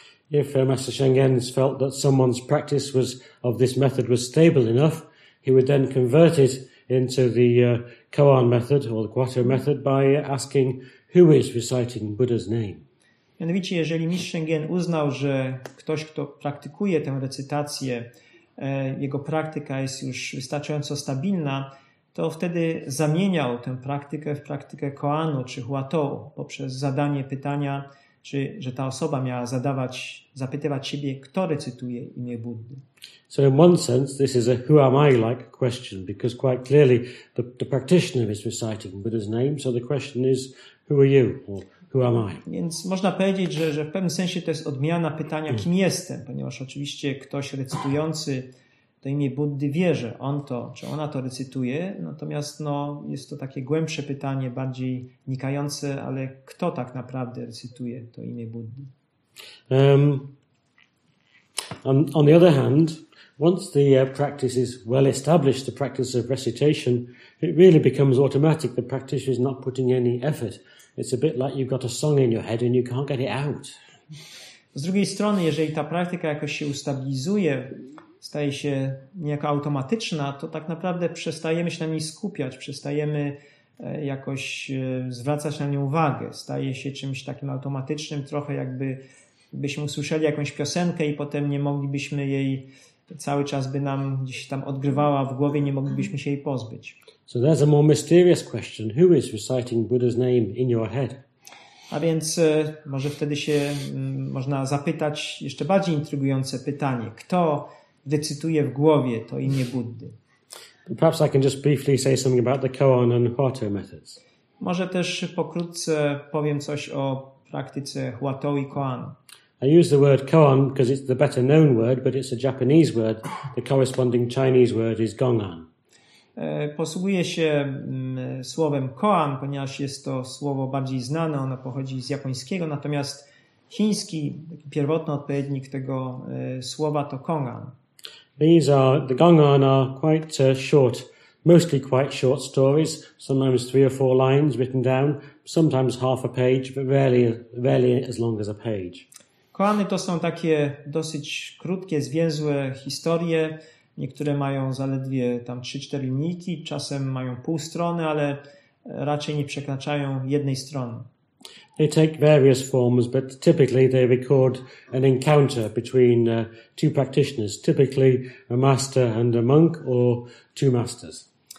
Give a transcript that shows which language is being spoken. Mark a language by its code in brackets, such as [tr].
[en] If Master Sheng Yen felt that someone's practice was of this method was stable enough, he would then convert it into the koan method or the guato method by asking who is reciting Buddha's name. [pl] Mianowicie, jeżeli mistrz Sheng Yen uznał, że ktoś, kto praktykuje tę recytację, jego praktyka jest już wystarczająco stabilna, to wtedy zamieniał tę praktykę w praktykę koanu czy huatou poprzez zadanie pytania, czy że ta osoba miała zapytywać siebie, kto recytuje imię Buddy. [en] So in one sense, this is a who am I like question, because quite clearly the practitioner is reciting Buddha's name, so the question is who are you? [pl] Więc można powiedzieć, że w pewnym sensie to jest odmiana pytania, kim jestem, ponieważ oczywiście ktoś recytujący imię Buddy wie, że on to, czy ona to recytuje, natomiast no, jest to takie głębsze pytanie, bardziej nikające, ale kto tak naprawdę recytuje to imię Buddy? [en] On the other hand, once the practice is well established, the practice of recitation, it really becomes automatic. The practitioner is not putting any effort. It's a bit like you've got a song in your head and you can't get it out. [pl] Z drugiej strony, jeżeli ta praktyka jakoś się ustabilizuje, staje się niejako automatyczna, to tak naprawdę przestajemy się na niej skupiać, przestajemy jakoś zwracać na nią uwagę. Staje się czymś takim automatycznym, trochę jakby byśmy usłyszeli jakąś piosenkę i potem nie moglibyśmy jej, cały czas by nam gdzieś tam odgrywała w głowie, nie moglibyśmy się jej pozbyć. [en] So there's a more mysterious question. Who is reciting Buddha's name in your head? [pl] A więc może wtedy się można zapytać jeszcze bardziej intrygujące pytanie. Kto recytuje w głowie to imię Buddy? [en] Perhaps I can just briefly say something about the koan and huatou methods. [pl] Może też pokrótce powiem coś o praktyce huatou i koan. [en] I use the word koan because it's the better known word, but it's a Japanese word. The corresponding Chinese word is gongan. [pl] Posługuje się słowem koan, ponieważ jest to słowo bardziej znane, ono pochodzi z japońskiego, natomiast chiński pierwotny odpowiednik tego słowa to kongan. [en] These are, the gongan are quite short, mostly quite short stories, sometimes three or four lines written down, sometimes half a page, but rarely as long as a page. [pl] Koany to są takie dosyć krótkie, zwięzłe historie. Niektóre mają zaledwie tam 3-4 linijki, czasem mają pół strony, ale raczej nie przekraczają jednej strony. [en] They take various forms, but typically they record an encounter between two practitioners, typically a master and a monk or two masters.